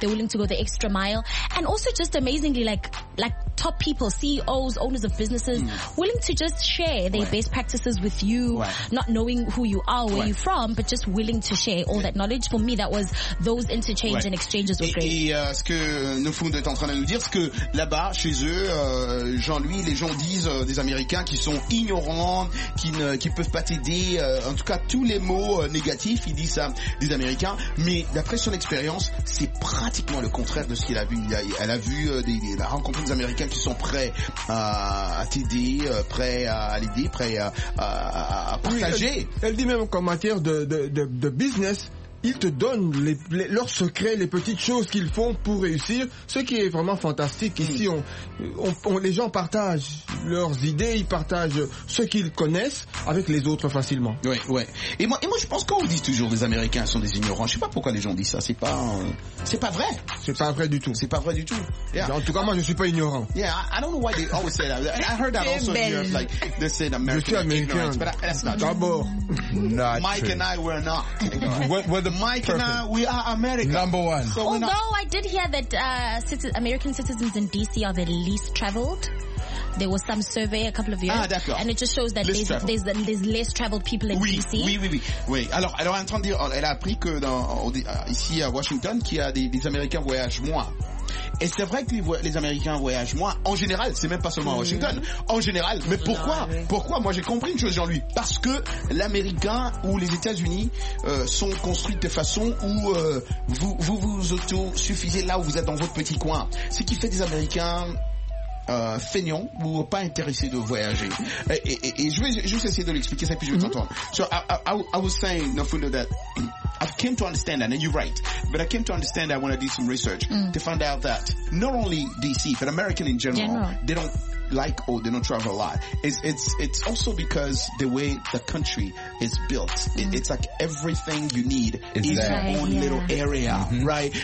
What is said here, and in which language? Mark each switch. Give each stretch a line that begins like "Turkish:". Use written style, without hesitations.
English: They're willing to go the extra mile. And also just amazingly, like top people, CEOs, owners of businesses, willing to just share their, right, best practices with you, right, not knowing who you are, where, right, you're from, but just willing to share all, yeah, that knowledge. For me, that was those interchange, right, and exchanges were great.
French: Et ce que nos fonds sont en train de nous dire, c'est que là-bas, chez eux, Jean-Louis, les gens disent des Américains qui sont ignorants, qui peuvent pas t'aider, en tout cas, tous les mots négatifs, ils disent ça des Américains, mais d'après son expérience, c'est pratiquement le contraire de ce qu'il a vu. Elle a vu, elle a rencontré des Américains qui sont prêts à t'aider, prêts à l'aider, prêts à partager. Oui, elle dit même qu'en matière de business, ils te donnent leurs secrets, les petites choses qu'ils font pour réussir, ce qui est vraiment fantastique. Ici, les gens partagent leurs idées, ils partagent ce qu'ils connaissent avec les autres facilement. Oui, oui. Et moi, je pense qu'on dit toujours les Américains sont des ignorants. Je sais pas pourquoi les gens disent ça. C'est pas vrai. C'est pas vrai du tout. C'est pas vrai du tout.
English: Yeah.
French: En tout cas, moi, je suis pas ignorant.
English: Yeah, I don't know why they always say that. I heard that also here, like they say that Americans are ignorant, but that's not true.
French: D'abord,
English: Mike and I were not. The mic and we are America. Number one. So although I did hear that American citizens in D.C. are the least traveled. There was some survey a couple of years.
French: Ah, d'accord.
English: And it just shows that there's less traveled people in,
French: oui,
English: D.C.
French: Oui. Alors, elle est en train de dire, elle a appris que ici à Washington, qu'il y a des Américains voyagent moins. Et c'est vrai que les Américains voyagent moins. En général, c'est même pas seulement à Washington. En général. Mais pourquoi? Non, oui. Pourquoi? Moi, j'ai compris une chose, Jean-Louis. Parce que l'Américain ou les États-Unis sont construits de façon où vous auto-suffisez là où vous êtes dans votre petit coin. Ce qui fait des Américains feignant ou pas intéressé de voyager. Et je vais juste essayer de l'expliquer ça, puis je vais t'entendre.
English: So I was saying, Nafundo, that I've came to understand that, and you're right, but I came to understand that when I did some research to find out that not only DC, but American in general, they don't like or they don't travel a lot. It's also because the way the country is built, it's like everything you need is your own little area, right?